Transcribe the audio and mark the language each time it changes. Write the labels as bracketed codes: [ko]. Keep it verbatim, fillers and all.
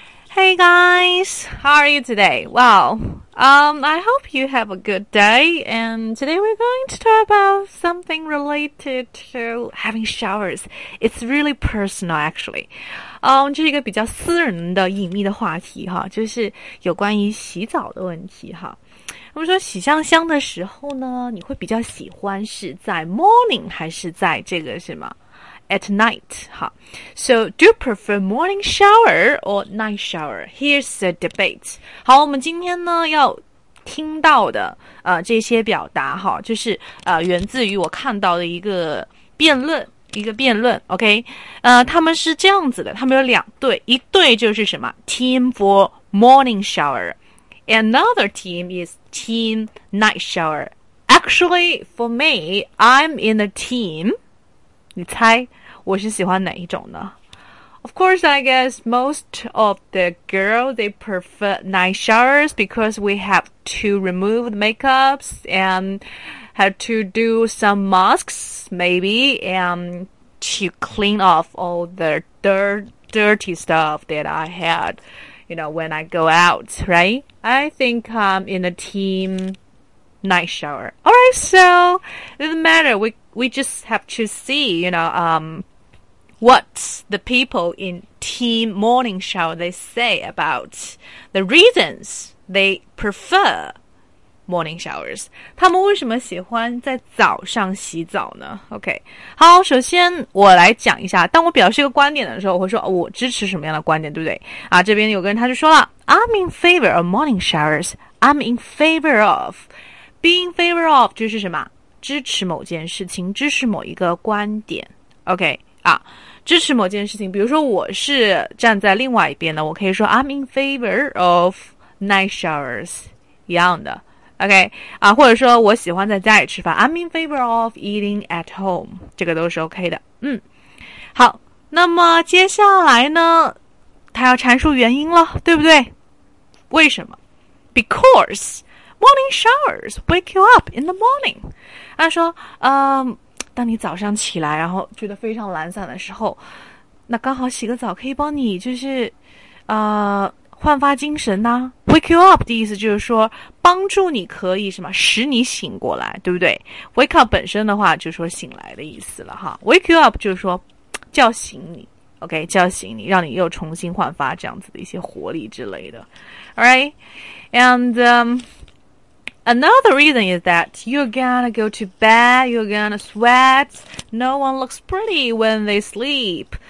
[en] Hey guys, how are you today? Wow, um, I hope you have a good day. And today we're going to talk about something related to having showers. It's really personal, actually. [zh] 嗯，这是一个比较私人的、隐秘的话题哈，就是有关于洗澡的问题哈。我们说洗香香的时候呢，你会比较喜欢是在 morning 还是在这个什么？ [en] At night, huh? So, do you prefer morning shower or night shower? Here's the debate. [zh] 好，我们今天呢要听到的呃这些表达哈，就是呃源自于我看到的一个辩论，一个辩论。 OK， 呃，他们是这样子的，他们有两队，一队就是什么 [en] team for morning shower, another team is team night shower. Actually, for me, I'm in a team. [zh] 你猜我是喜欢哪一种呢 [en] ？Of course, I guess most of the girls they prefer night showers because we have to remove the makeups and have to do some masks maybe and to clean off all the dirt, dirty stuff that I had, you know, when I go out, right? I think I'm in a team night shower. All right, so it doesn't matter. We we just have to see, you know, um. What the people in team morning shower they say about the reasons they prefer morning showers. [zh] 他们为什么喜欢在早上洗澡呢 ？OK， 好，首先我来讲一下，当我表示一个观点的时候，我会说、哦、我支持什么样的观点，对不对？啊，这边有个人他就说了 ， [en] I'm in favor of morning showers. I'm in favor of. Being in favor of [zh] 就是什么？支持某件事情，支持某一个观点。OK。啊，支持某件事情，比如说我是站在另外一边的，我可以说 [en] I'm in favor of night showers [zh] 一样的 ，OK 啊，或者说我喜欢在家里吃饭 ， [en] I'm in favor of eating at home， [zh] 这个都是 OK 的。嗯，好，那么接下来呢，他要阐述原因了，对不对？为什么 [en] ？Because morning showers wake you up in the morning。 [zh] 他说，嗯。当你早上起来，然后觉得非常懒散的时候，那刚好洗个澡可以帮你，就是，呃，焕发精神呐、啊。 [en] Wake you up [zh] 的意思就是说，帮助你可以什么，使你醒过来，对不对 ？Wake up 本身的话，就是说醒来的意思了哈。 [en] Wake you up [zh] 就是说叫醒你 ，OK， 叫醒你，让你又重新焕发这样子的一些活力之类的。 [en] All right, and、um,Another reason is that you're gonna go to bed, you're gonna sweat. No one looks pretty when they sleep.